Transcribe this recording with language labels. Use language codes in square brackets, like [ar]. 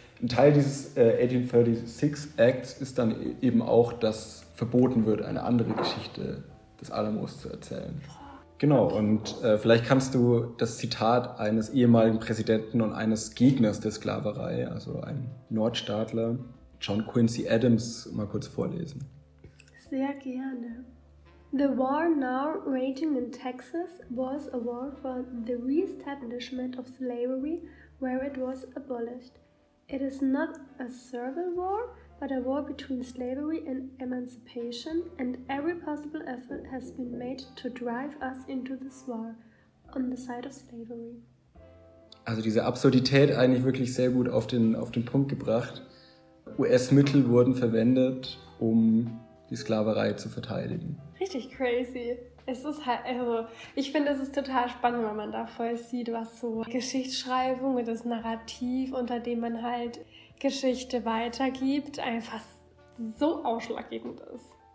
[de] Ein Teil dieses 1836 Acts ist dann eben auch, dass verboten wird, eine andere Geschichte des Alamos zu erzählen. Genau, und vielleicht kannst du das Zitat eines ehemaligen Präsidenten und eines Gegners der Sklaverei, also ein Nordstaatler, John Quincy Adams, mal kurz vorlesen. Sehr gerne. [en] The war now raging in Texas was a war for the reestablishment of slavery where it was abolished. It is not a civil war, but a war between slavery and emancipation, and every possible effort has been made to drive us into this war on the side of slavery. [de] Also diese Absurdität eigentlich wirklich sehr gut auf den Punkt gebracht. US-Mittel wurden verwendet, um die Sklaverei zu verteidigen. Richtig crazy. Es ist halt, also ich finde, es ist total spannend, wenn man da voll sieht, was so Geschichtsschreibung und das Narrativ, unter dem man halt Geschichte weitergibt, einfach so ausschlaggebend ist.